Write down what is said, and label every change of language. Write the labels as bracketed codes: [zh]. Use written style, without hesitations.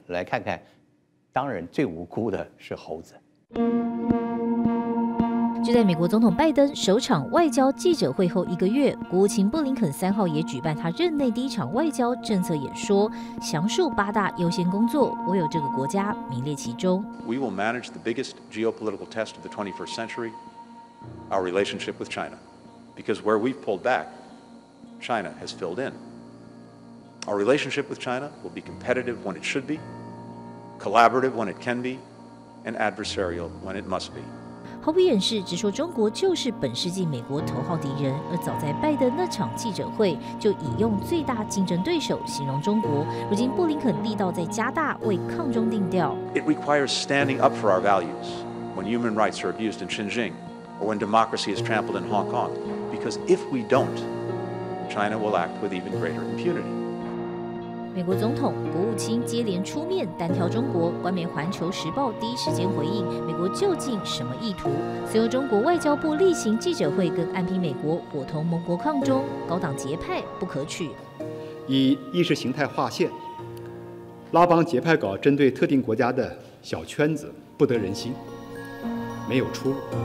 [zh] 来看看，当然最无辜的是猴子。就在美国总统拜登首场外交记者会后一个月，国务卿布林肯三号也举办他任内第一场外交政策演说，详述八大优先工作，唯有这个国家名列其中。 [en] We will manage the biggest geopolitical test of the 21st century, our relationship with China, because where we've pulled back, China has filled in. Our relationship with China will be competitive when it should be, collaborative when it can be, and adversarial when it must be. [zh] 毫不掩饰，只说中国就是本世纪美国头号敌人。而早在拜登那场记者会，就已用最大竞争对手形容中国。如今布林肯力道在加大，为抗中定调。 [en] It requires standing up for our values when human rights are abused in Xinjiang, or when democracy is trampled in Hong Kong. Because if we don't, China will act with even greater impunity. [zh] 美国总统、国务卿接连出面单挑中国，官媒《环球时报》第一时间回应美国究竟什么意图。随后，中国外交部例行记者会更暗批美国伙同盟国抗中，高党结派不可取。以意识形态划线，拉帮结派搞针对特定国家的小圈子，不得人心，没有出路。